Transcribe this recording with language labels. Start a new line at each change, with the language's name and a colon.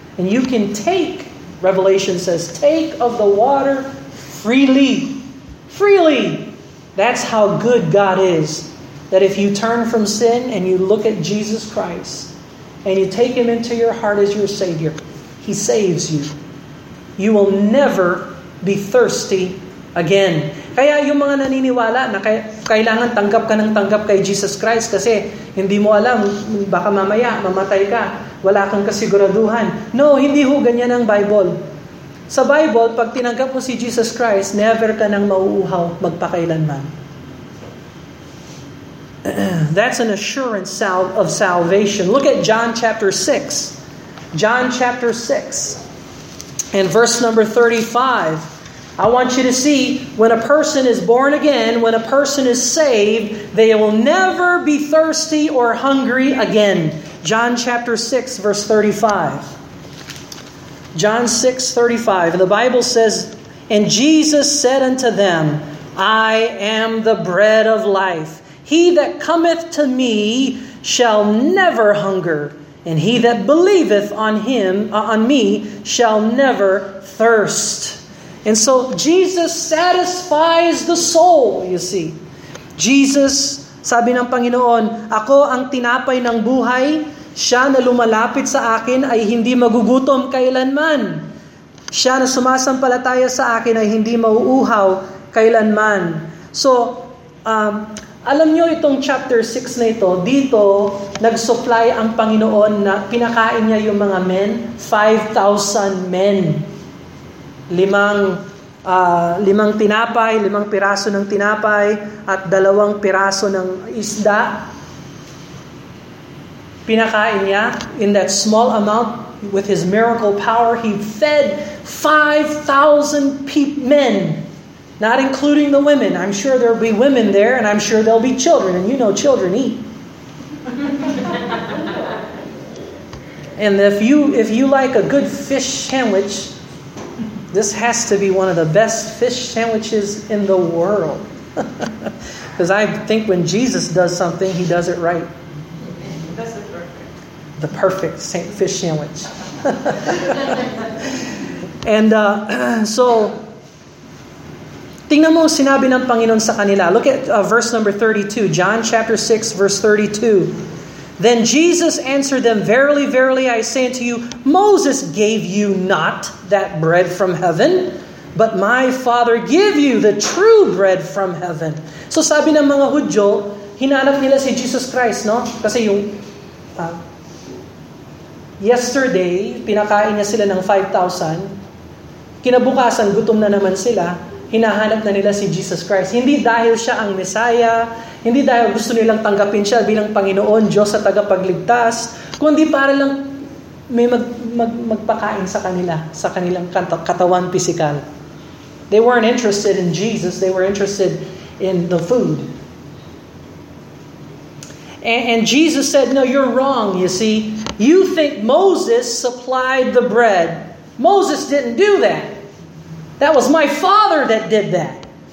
English: And you can take, Revelation says, take of the water freely. Freely. That's how good God is. That if you turn from sin and you look at Jesus Christ and you take Him into your heart as your Savior, He saves you. You will never be thirsty again.
Filipino: Kaya yung mga naniniwala na kailangan tanggap ka ng tanggap kay Jesus Christ kasi hindi mo alam, baka mamaya, mamatay ka, wala kang kasiguraduhan. No, hindi ho ganyan ang Bible. Sa Bible, pag tinanggap mo si Jesus Christ, never ka nang mauuhaw magpakailanman.
English: That's an assurance of salvation. Look at John chapter 6. John chapter 6 and verse number 35. I want you to see, when a person is born again, when a person is saved, they will never be thirsty or hungry again. John chapter 6 verse 35. John 6:35, and the Bible says, And Jesus said unto them, I am the bread of life. He that cometh to me shall never hunger, and he that believeth on him, on me, shall never thirst. And so Jesus satisfies the soul, you see.
Filipino: Jesus, sabi ng Panginoon, ako ang tinapay ng buhay. Siya na lumalapit sa akin ay hindi magugutom kailanman. Siya na sumasampalataya sa akin ay hindi mauuhaw kailanman. So, alam nyo itong chapter 6 na ito, dito nag-supply ang Panginoon na pinakain niya yung mga men, 5,000 men. Limang tinapay, limang piraso ng tinapay at dalawang piraso ng isda. Pinakain niya,
English: in that small amount, with His miracle power, He fed 5,000 men Not including the women. I'm sure there'll be women there, and I'm sure there'll be children. And you know children eat. And if you like a good fish sandwich, this has to be one of the best fish sandwiches in the world. Because I think when Jesus does something, he does it right. The perfect fish sandwich. And so,
Filipino: tingnan mo sinabi ng Panginoon sa kanila.
English: Look at verse number 32, John chapter 6, verse 32. Then Jesus answered them, "Verily, verily, I say unto you, Moses gave you not that bread from heaven, but my Father give you the true bread from heaven."
Filipino: So sabi ng mga Hudyo, hinanap nila si Jesus Christ, no? Kasi yung yesterday, pinakain niya sila ng 5,000. Kinabukasan, gutom na naman sila. Hinahanap na nila si Jesus Christ. Hindi dahil siya ang Messiah, hindi dahil gusto nilang tanggapin siya bilang Panginoon, Diyos at tagapagligtas, kundi para lang may magpakain sa kanila, sa kanilang katawan, pisikal.
English: They weren't interested in Jesus, they were interested in the food. And Jesus said, "No, you're wrong, you see. You think Moses supplied the bread. Moses didn't do that. That was my Father that did that.